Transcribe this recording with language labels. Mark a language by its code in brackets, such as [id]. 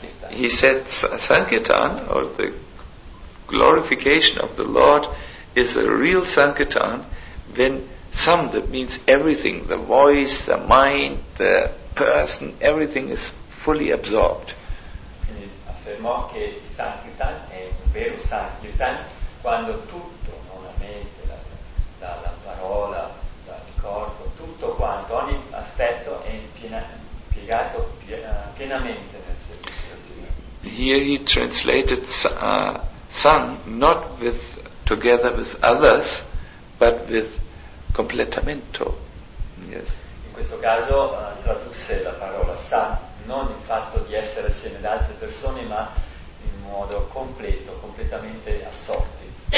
[en] He said Sankirtan, or the glorification of the Lord, is a real Sankirtan when some, that means everything, the voice, the mind, the person, everything is fully absorbed. [it] Affermò che il Sankirtan è un vero Sankirtan quando tutto, non la mente, la parola, il corpo, tutto quanto, ogni aspetto è impiegato pienamente nel servizio. [en] Here he translated sun not with together with others, but with completamento. Yes. [it] In questo caso tradusse la parola sun. Non il fatto di essere assieme ad altre persone, ma in modo completo, completamente assorti.